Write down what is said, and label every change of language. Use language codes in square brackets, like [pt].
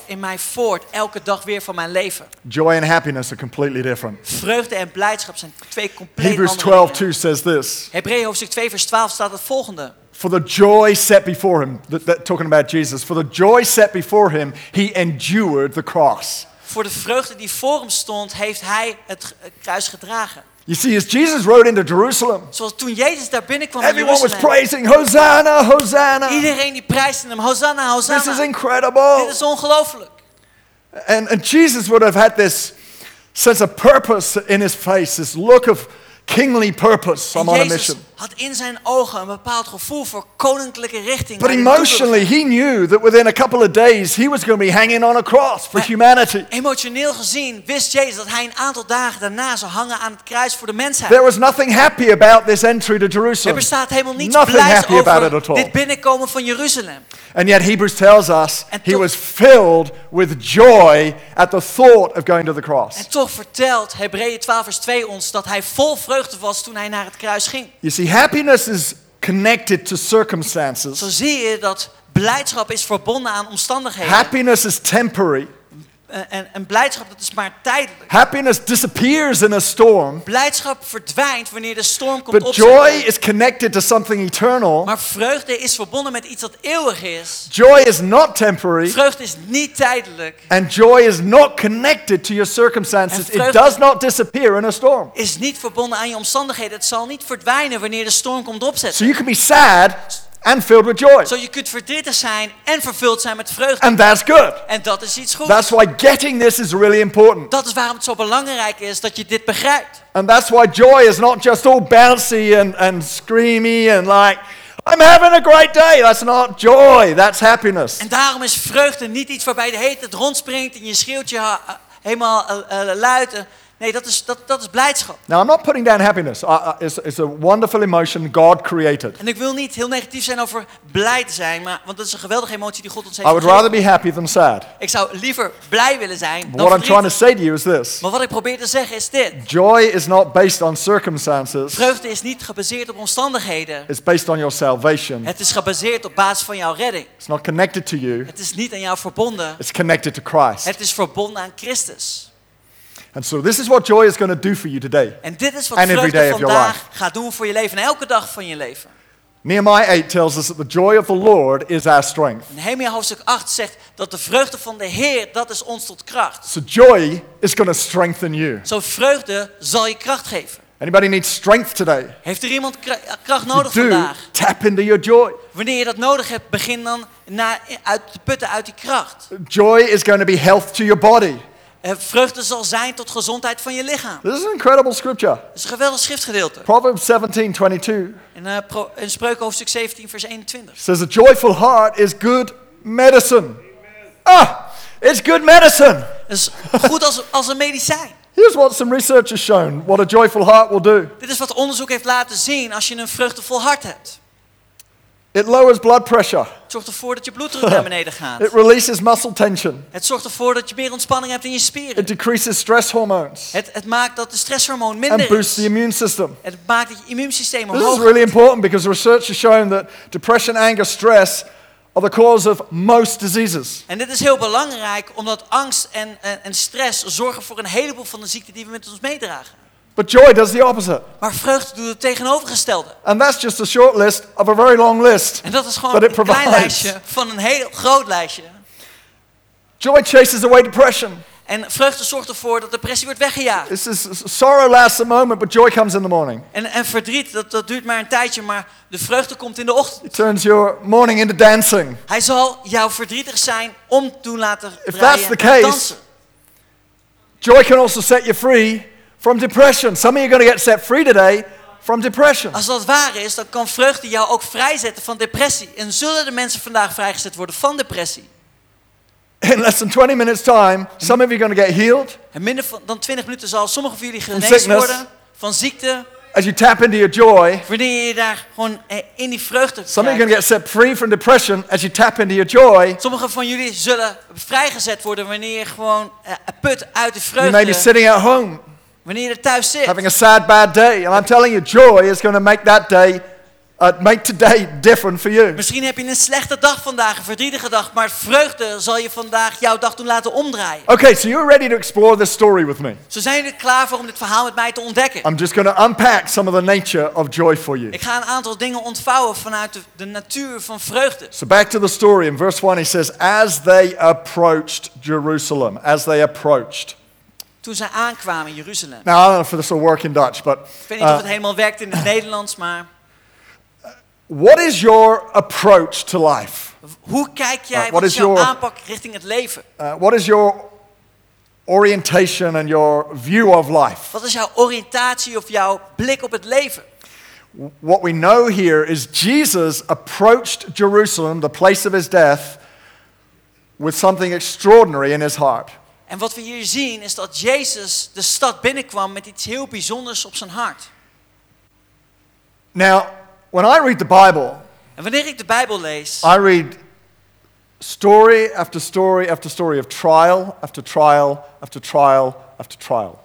[nl] In mij voort elke dag weer van mijn leven. [en] Joy and happiness are completely different. [nl] Vreugde en blijdschap zijn twee compleet [en] Hebrews [nl] andere dingen. [en] Hebrews 12:2 says this. [nl] Hebreeën hoofdstuk 2 vers 12 staat het volgende. [en] For the joy set before him, talking about Jesus, for the joy set before him, he endured the cross. [nl] Voor de vreugde die voor hem stond, heeft hij het kruis gedragen. [en] You see, as Jesus rode into Jerusalem, [nl] zoals toen Jezus daar binnenkwam in Jeruzalem, [en] everyone was praising Hosanna, Hosanna. [nl] Iedereen die prijste hem, Hosanna, Hosanna. [en] This is incredible. [nl] Dit is ongelooflijk. [en] And Jesus would have had this sense of purpose in his face, this look of kingly purpose. I'm on a mission. [nl] Jezus had in zijn ogen een bepaald gevoel voor koninklijke richting. [en] But emotionally, he knew that within a couple of days he was going to be hanging on a cross for humanity. [nl] Emotioneel gezien wist Jezus dat hij een aantal dagen daarna zou hangen aan het kruis voor de mensheid. [en] There was nothing happy about this entry to Jerusalem. [nl] Er bestaat helemaal niets blijs over dit binnenkomen van Jeruzalem. [en] And yet Hebrews tells us he was filled with joy at the thought of going to the cross. [nl] En toch vertelt Hebreeën 12 vers 2 ons dat hij vol vreugde was toen hij naar het kruis ging. [en] You see, happiness is connected to circumstances. [nl] Zo zie je dat blijdschap is verbonden aan omstandigheden. [en] Happiness is temporary. [nl] En blijdschap dat is maar tijdelijk. [en] Happiness disappears in a storm. [nl] Blijdschap verdwijnt wanneer de storm komt opzetten. [en] But joy is connected to something eternal. [nl] Maar vreugde is verbonden met iets dat eeuwig is. [en] Joy is not temporary. [nl] Vreugde is niet tijdelijk. [en] And joy is not connected to your circumstances. It does not disappear in a storm. [nl] Is niet verbonden aan je omstandigheden. Het zal niet verdwijnen wanneer de storm komt opzetten. [en] So you can be sad and filled with joy. [nl] Zo je kunt verdrietig zijn en vervuld zijn met vreugde. [en] And that's good. [nl] En dat is iets goeds. [en] That's why getting this is really important. [nl] Dat is waarom het zo belangrijk is dat je dit begrijpt. [en] And that's why joy is not just all bouncy and screamy and like I'm having a great day. That's not joy. That's happiness. [nl] En daarom is vreugde niet iets waarbij de hele tijd rondspringt en je schreeuwt je helemaal luid. Nee, dat is blijdschap. [en] Now I'm not putting down happiness. It's a wonderful emotion God created. [nl] En ik wil niet heel negatief zijn over blij zijn, maar want dat is een geweldige emotie die God ons heeft gegeven. [en] I would rather be happy than sad. [nl] Ik zou liever blij willen zijn dan verdrietig. [en] What I'm trying to say to you is this. [nl] Maar wat ik probeer te zeggen is dit. [en] Joy is not based on circumstances. [nl] Vreugde is niet gebaseerd op omstandigheden. [en] It's based on your salvation. [nl] Het is gebaseerd op basis van jouw redding. [en] It's not connected to you. [nl] Het is niet aan jou verbonden. [en] It's connected to Christ. [nl] Het is verbonden aan Christus. [en] And so this is what joy is going to do for you today. And [nl] dit is wat vreugde vandaag gaat doen voor je leven en elke dag van je leven. [en] Nehemiah 8 tells us that the joy of the Lord is our strength. [nl] Nehemia hoofdstuk 8 zegt dat de vreugde van de Heer dat is ons tot kracht. [en] So joy is going to strengthen you. [nl] Zo vreugde zal je kracht geven. [en] Anybody need strength today? [nl] Heeft er iemand kracht nodig vandaag? [en] Tap into your joy. [nl] Wanneer je dat nodig hebt, begin dan uit te putten uit die kracht. [en] Joy is going to be health to your body. [nl] Vreugde zal zijn tot gezondheid van je lichaam. [en] This is an incredible scripture. [nl] Het is een geweldig schriftgedeelte. [en] Proverbs 17:22. [nl] In Spreuken hoofdstuk 17 vers 21. [en] Says a joyful heart is good medicine. Ah, it's good medicine. [nl] Is goed als een medicijn. [en] Here's what some research has shown what a joyful heart will do. [nl] Dit is wat onderzoek heeft laten zien als je een vreugdevol hart hebt. [en] It lowers blood pressure. [nl] Het zorgt ervoor dat je bloeddruk naar beneden gaat. [en] It releases muscle tension. [nl] Het zorgt ervoor dat je meer ontspanning hebt in je spieren. [en] It decreases stress hormones. [nl] Het maakt dat de stresshormoon minder is. [en] And boosts the immune system. [nl] Het maakt dat je immuunsysteem omhoog. [en] This is really important because research has shown that depression, anger, stress are the cause of most diseases. [nl] En dit is heel belangrijk omdat angst en stress zorgen voor een heleboel van de ziekten die we met ons meedragen. [en] But joy does the opposite. [nl] Maar vreugde doet het tegenovergestelde. [en] And that's just a short list of a very long list. [nl] En dat is gewoon een klein lijstje van een heel groot lijstje. [en] Joy chases away depression. [nl] En vreugde zorgt ervoor dat depressie wordt weggejaagd. [en] This is sorrow lasts a moment, but joy comes in the morning. [nl] En verdriet dat duurt maar een tijdje, maar de vreugde komt in de ochtend. [en] It turns your morning into dancing. [nl] Hij zal jouw verdrietig zijn om toen laten draaien. [en] If that's the case, joy can also set you free from depression. Some of you are going to get set free today from depression. [nl] Als dat waar is, dan kan vreugde jou ook vrijzetten van depressie. En zullen de mensen vandaag vrijgezet worden van depressie? [en] In less than 20 minutes time, some of you are going to get healed. [nl] En minder dan 20 minuten zal sommigen van jullie genezen worden van ziekte. [en] As you tap into your joy. [nl] Wanneer je daar gewoon in die vreugde. [en] Some of you are going to get set free from depression as you tap into your joy. [nl] Sommigen van jullie zullen vrijgezet worden wanneer je gewoon put uit de vreugde. [en] You may be sitting at home. [nl] Wanneer je thuis zit. [en] Having a sad, bad day. And I'm telling you, joy is going to make that day, make today different for you. [nl] Misschien heb je een slechte dag vandaag, een verdrietige dag. Maar vreugde zal je vandaag jouw dag doen laten omdraaien. [en] Okay, so you're ready to explore this story with me. [nl] Zo zijn jullie klaar voor om dit verhaal met mij te ontdekken. [en] I'm just going to unpack some of the nature of joy for you. [nl] Ik ga een aantal dingen ontvouwen vanuit de natuur van vreugde. [en] So back to the story. In verse 1 he says, as they approached Jerusalem. As they approached. [nl] Toen ze aankwamen in Jeruzalem. [en] Now, I don't know if this will work in Dutch, but [nl] ik weet niet of het helemaal werkt in het Nederlands, maar [en] what is your approach to life? [nl] Hoe kijk jij wat is jouw aanpak richting het leven? [en] What is your orientation and your view of life? [nl] Wat is jouw oriëntatie of jouw blik op het leven? [en] What we know here is Jesus approached Jerusalem, the place of his death, with something extraordinary in his heart. [nl] En wat we hier zien is dat Jezus de stad binnenkwam met iets heel bijzonders op zijn hart. [en] Now, when I read the Bible, [nl] en wanneer ik de Bijbel lees, [en] I read story after story after story of trial after trial after trial after trial.